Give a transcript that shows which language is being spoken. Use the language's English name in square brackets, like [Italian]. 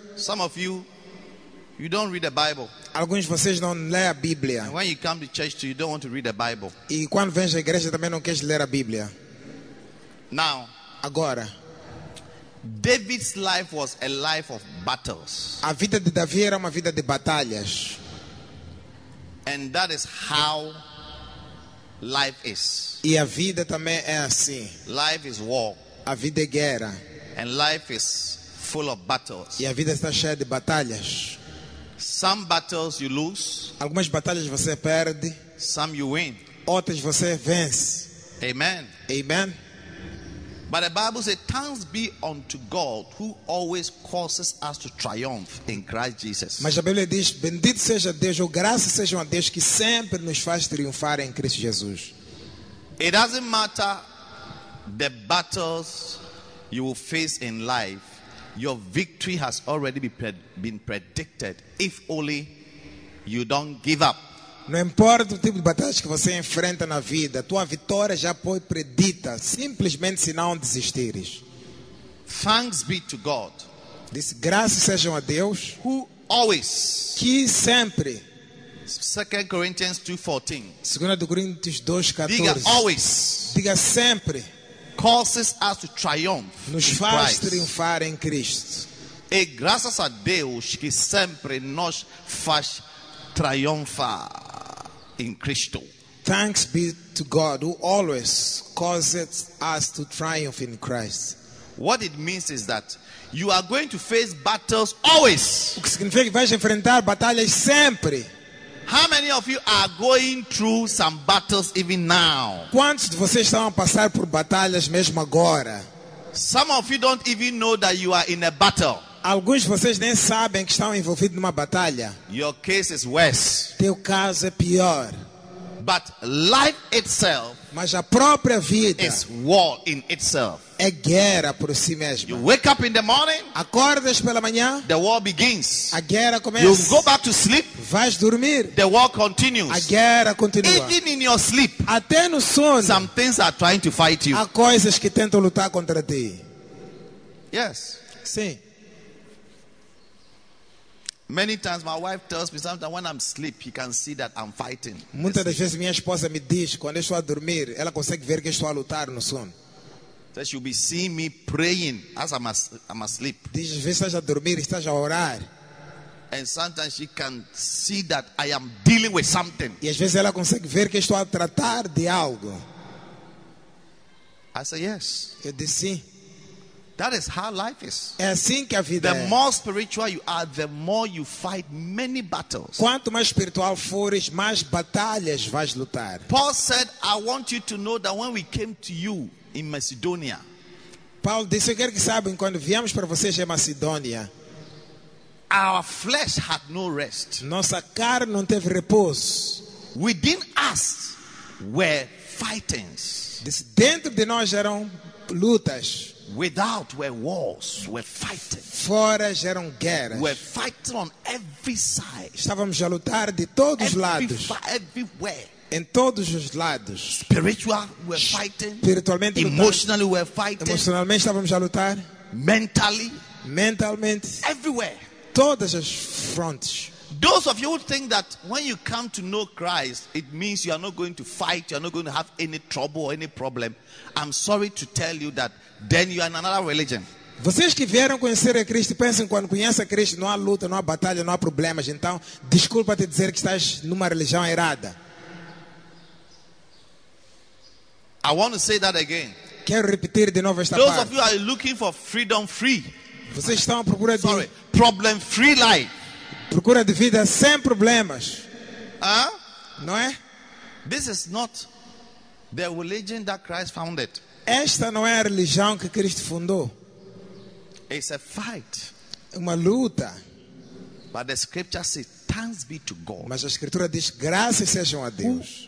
[English] Some of you, you don't read the Bible. [Portuguese] Alguns de vocês não lê a Bíblia. [English] And when you come to church, too, you don't want to read the Bible. [Portuguese] E quando vem à igreja também não queres ler a Bíblia. [English] Now. [Portuguese] Agora, [English] David's life was a life of battles. [Portuguese] A vida de Davi era uma vida de batalhas. [English] And that is how life is. [Portuguese] E a vida também é assim. [English] Life is war. [Portuguese] A vida é guerra. [English] And life is full of battles. [Portuguese] E a vida está cheia de batalhas. [English] Some battles you lose. [Portuguese] Algumas batalhas você perde. [English] Some you win. [Portuguese] Outras você vence. [English] Amen. [Portuguese] Amen. [English] But the Bible says, "Thanks be unto God, who always causes us to triumph in Christ Jesus." [Portuguese] Mas a Bíblia diz: "Bendito seja Deus, ou graças sejam a Deus que sempre nos faz triunfar em Cristo Jesus." [English] It doesn't matter the battles you will face in life; your victory has already been predicted. If only you don't give up. [Portuguese] Não importa o tipo de batalhas que você enfrenta na vida, tua vitória já foi predita, simplesmente se não desistires. [English] Thanks be to God. [Portuguese] Diz, graças sejam a Deus. [English] Who always. [Portuguese] Que sempre. 2 Coríntios 2:14. Segunda de Coríntios 2:14. Diga always. Diga sempre. [English] Causes us to triumph. [Portuguese] Nos faz triunfar em Cristo. E graças a Deus que sempre nos faz triunfar. [English] In Cristo. Thanks be to God who always causes us to triumph in Christ. What it means is that you are going to face battles always. [Portuguese] O que significa que vais enfrentar batalhas sempre. [English] How many of you are going through some battles even now? [Portuguese] Quantos de vocês estão a passar por batalhas mesmo agora? [English] Some of you don't even know that you are in a battle. [Portuguese] Alguns de vocês nem sabem que estão envolvidos numa batalha. [English] Your case is worse. [Portuguese] Teu caso é pior. [English] But life itself [Portuguese] Mas a própria vida [English] is war in itself. [Portuguese] É guerra por si mesma. [English] You wake up in the morning. [Portuguese] Acordas pela manhã. [English] The war begins. [Portuguese] A guerra começa. [English] You go back to sleep. [Portuguese] Vais dormir. [English] The war continues. [Portuguese] A guerra continua. [English] Even in your sleep. [Portuguese] Até no sono. [English] Some things are trying to fight you. [Portuguese] Há coisas que tentam lutar contra ti. [English] Yes. [Portuguese] Sim. [English] Many times my wife tells me sometimes when I'm asleep, he can see that I'm fighting. [Portuguese] Muitas das vezes minha esposa me diz quando eu estou a dormir, ela consegue ver que estou a lutar no sono. [English] That she'll be seeing me praying as I'm asleep. [Portuguese] Diz, vê, estás a dormir, estás a orar. [English] And sometimes she can see that I am dealing with something. [Portuguese] E às vezes ela consegue ver que estou a tratar de algo. [English] I say yes. [Portuguese] Eu disse sim. [English] That is how life is. [Portuguese] É assim que a vida [English] the [Portuguese] é. [English] More spiritual you are, the more you fight many battles. [Portuguese] Quanto mais espiritual fores, mais batalhas vais lutar. [English] Paul said, I want you to know that when we came to you in Macedonia. [Portuguese] Paulo disse, eu quero que sabem, quando viemos para vocês em Macedônia. [English] Our flesh had no rest. [Portuguese] Nossa carne não teve repouso. [English] Within us were fightings. [Portuguese] Dentro de nós eram lutas. [English] Without were wars, were fighting. [Portuguese] Fora eram guerras. [English] We're fighting on every side. [Portuguese] Estávamos a lutar de todos os lados. [English] Everywhere. [Portuguese] Em todos os lados. [English] Spiritual, we're fighting. [Portuguese] Espiritualmente, [English] emotionally, we're fighting. [Portuguese] Emocionalmente estávamos a lutar. [English] Mentally, [Portuguese] mentalmente. [English] Everywhere. [Portuguese] Todas as frontes. [English] Those of you who think that when you come to know Christ, it means you are not going to fight, you are not going to have any trouble or any problem. I'm sorry to tell you that then you are in another religion. [Portuguese] Vocês que vieram conhecer a Cristo, pensam quando conhece a Cristo, não há luta, não há batalha, não há problemas. Então, desculpa te dizer que estás numa religião errada. [English] I want to say that again. [Portuguese] Quero repetir de novo esta [English] those [Portuguese] parte. [English] Those of you are looking for freedom free. [Portuguese] Vocês estão à procura de [English] sorry, problem free life. [Portuguese] Procura de vida sem problemas. Huh? Não é? [English] This is not the religion that Christ founded. [Portuguese] Esta não é a religião que Cristo fundou. [English] It's a fight. [Portuguese] Uma luta. [English] But the scripture says, thanks be to God. [Portuguese] Mas a escritura diz, graças sejam a Deus.